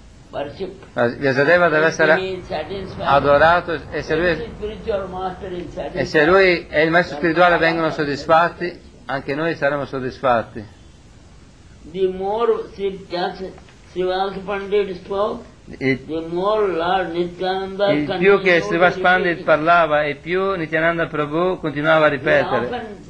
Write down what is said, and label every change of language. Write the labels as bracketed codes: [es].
[it] Vyasadeva deve essere adorato e se lui e il maestro spirituale vengono soddisfatti, anche noi saremo soddisfatti. [en] The more Srivasa Pandit spoke, the more Lord Nityananda continued. [it] Più che Srivasa Pandit parlava e più Nityananda Prabhu continuava a ripetere.